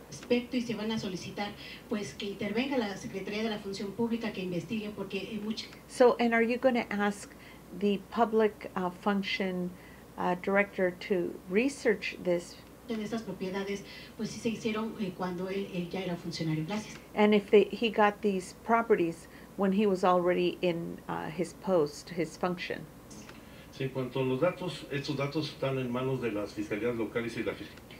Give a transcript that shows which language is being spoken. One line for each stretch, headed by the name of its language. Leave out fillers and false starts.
Spanish: Respecto, y se van a solicitar, pues, que intervenga la Secretaría de la Función Pública, que investigue, porque hay mucho.
English: So, and are you going to ask the public function director to research this?
Spanish: En estas propiedades, pues sí se hicieron cuando él ya era funcionario. Gracias.
English: And if he got these properties when he was already in his post, his function.
Spanish: Sí, en cuanto a los datos, estos datos están en manos de las fiscalías locales y la fiscalía.